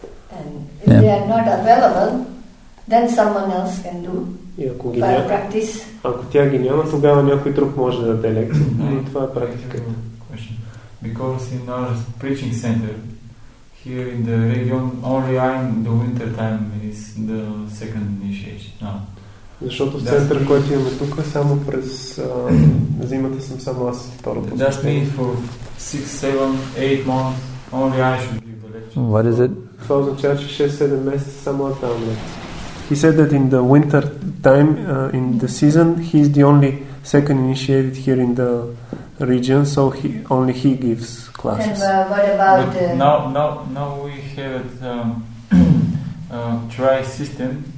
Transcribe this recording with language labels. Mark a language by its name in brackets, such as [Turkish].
[English] And if they are not available, then someone else can do by practice. [Bulgarian] Ако тя ги няма, тогава някой друг може да даде лекция. Това е практика. [English] Because in our preaching center, here in the region, only in the winter time is the second initiation. No. [Bulgarian] Защото в центъра, който имаме тук, само през зимата съм само аз второ посещение. [English] That means for 6-7-8 months only I should give the lecture. What is it? [Bulgarian] Това означава, че 6-7 месеца само аз давам лекция. [English] He said that in the winter time, in the season, he is the only second initiated here in the region, so only he gives classes. And what about... But now we have a try system.